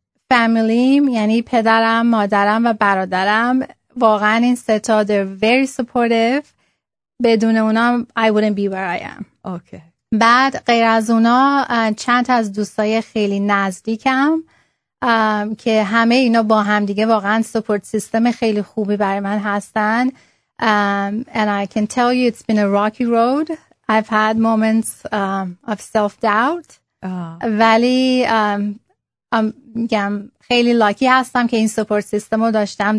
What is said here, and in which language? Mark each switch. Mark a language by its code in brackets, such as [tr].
[fa] فامیلیم یعنی پدرم، مادرم و برادرم، واقعا این ستا [en] they're very supportive، [fa] بدون اونا [en] I wouldn't be where I am. [fa] اوکی. بعد غیر از اونا چند از دوستای خیلی نزدیکم که همه اینا با هم دیگه واقعا سپورت سیستم خیلی خوبی برای من هستن. [en] And I can tell you it's been a rocky road. I've had moments of self-doubt. [fa] ولی میگم خیلی لاکی هستم که این سپورت سیستم رو داشتم.